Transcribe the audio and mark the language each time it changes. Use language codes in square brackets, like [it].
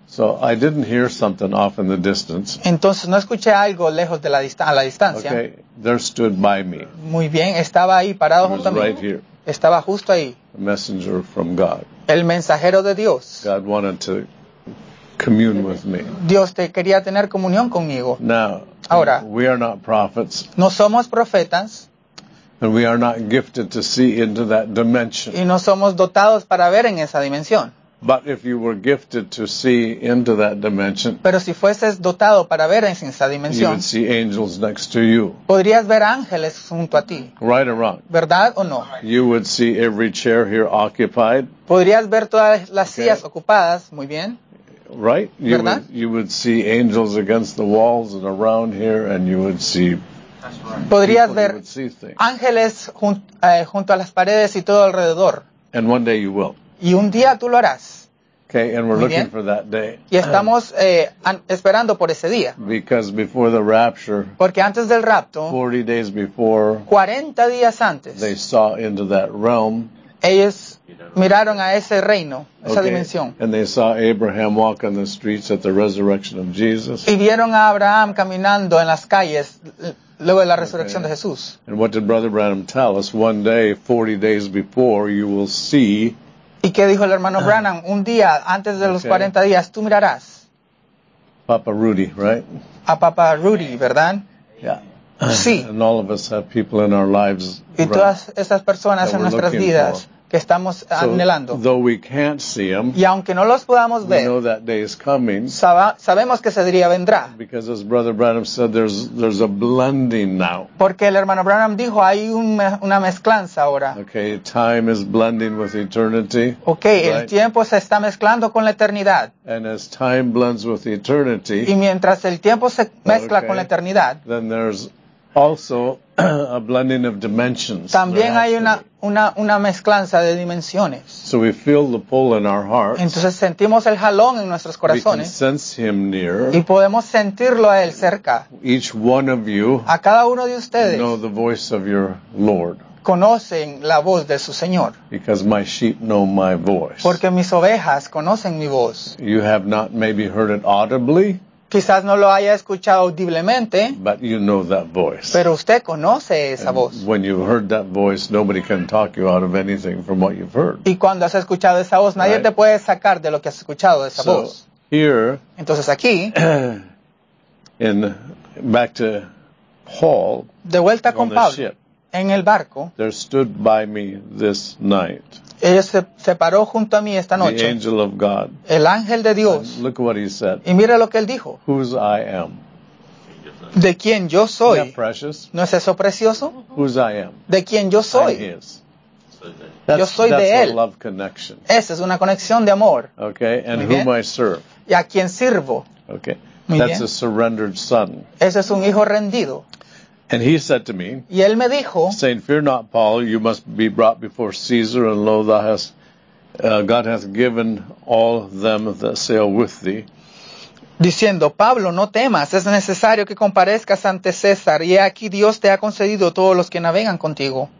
[en] So I didn't hear something off in the distance. [es] Entonces no escuché algo lejos de la distancia. [en] Okay, there stood by me. [es] Muy bien, estaba ahí parado junto a mí. [en] Right here. [es] Estaba justo ahí. [en] A messenger from God. [es] El mensajero de Dios. [en] God wanted to commune with me. [es] Dios te quería tener comunión conmigo. [en] Now, [es] ahora, [en] we are not prophets. [es] No somos profetas. [en] And we are not gifted to see into that dimension. [es] Y no somos dotados para ver en esa dimensión. [en] But if you were gifted to see into that dimension, [es] pero si fueses dotado para ver en esa dimensión, [en] you would see angels next to you. [es] Podrías ver ángeles junto a ti. [en] Right or wrong? [es] ¿Verdad o no? [en] You would see every chair here occupied. [es] Podrías ver todas las sillas ocupadas. Muy bien. [en] Right? [es] ¿Verdad? [en] You would see angels against the walls and around here, and you would see. [es] Podrías ver ángeles junto a las paredes y todo alrededor. [en] And one day you will. [es] Y un día tú lo harás. [en] Okay, and we're looking for that day. [es] Y estamos esperando por ese día. [en] Because before the rapture, [es] porque antes del rapto, [en] 40 days before, [es] 40 días antes, [en] they saw into that realm. [es] Ellos miraron a ese reino, esa dimensión. [en] And they saw Abraham walk on the streets at the resurrection of Jesus. [es] Y vieron a Abraham caminando en las calles luego de la resurrección de Jesús. [en] And what did Brother Branham tell us? One day, 40 days before, you will see. [es] ¿Y qué dijo el hermano Branham? Un día, antes de los 40 días, tú mirarás. [en] Papa Rudy, right? [es] A Papa Rudy, ¿verdad? [en] Yeah. [es] Sí. [en] And all of us have people in our lives, [es] y todas esas personas en nuestras vidas que estamos anhelando. [en] Though we can't see them, [es] y aunque no los podamos ver, [en] we know that day is coming, [es] sabemos que ese día vendrá. [en] Because as Brother Branham said, there's a blending now. [es] Porque el hermano Branham dijo, hay una mezclanza ahora. [en] Okay, time is blending with eternity. Okay, right? [es] El tiempo se está mezclando con la eternidad. [en] And as time blends with eternity, [es] y mientras el tiempo se mezcla con la eternidad, [en] then there's also a blending of dimensions. [es] También hay una mezclanza de dimensiones. [en] So we feel the pull in our hearts. [es] Entonces sentimos el jalón en nuestros corazones. [en] We can sense him near. [es] Y podemos sentirlo a él cerca. [en] Each one of you, [es] a cada uno de ustedes, [en] know the voice of your Lord. [es] Conocen la voz de su Señor. [en] Because my sheep know my voice. [es] Porque mis ovejas conocen mi voz. [en] You have not maybe heard it audibly. [es] Quizás no lo haya escuchado audiblemente, [en] but you know that voice. [es] Pero usted conoce esa [en] and [es] voz. [en] When you heard that voice, nobody can talk you out of anything from what you've heard. [es] Y cuando has escuchado esa voz, nadie te puede sacar de lo que has escuchado de esa [en] so, [es] voz. [en] Here, [es] entonces aquí, [en] in back to Paul, [es] de vuelta con Pablo, [en] ship, [es] en el barco, [en] there stood by me this night. [es] Él se paró junto a mí esta noche. [en] The angel of God. [es] El ángel de Dios. [en] And look what he said. [es] Y mira lo que él dijo. [en] Whose I am. [es] De quien yo soy. [en] Isn't that precious? [es] ¿No es eso precioso? [en] Whose I am. [es] De quien yo soy. [en] I'm his. That's, [es] yo soy [en] that's [es] de él. [en] A love connection. [es] Esa es una conexión de amor. [en] Okay, and whom I serve. [es] Y a quien sirvo. [en] Okay, [es] muy [en] that's [es] bien. [en] A surrendered son. [es] Ese es un hijo rendido. [en] And he said to me, [es] y él me dijo, [en] saying, fear not, Paul, you must be brought before Caesar, and lo, thou hast, God hath given all them that sail with thee. [es] Diciendo, Pablo, no temas, es necesario que comparezcas ante César, y aquí Dios te ha concedido todos los que navegan contigo.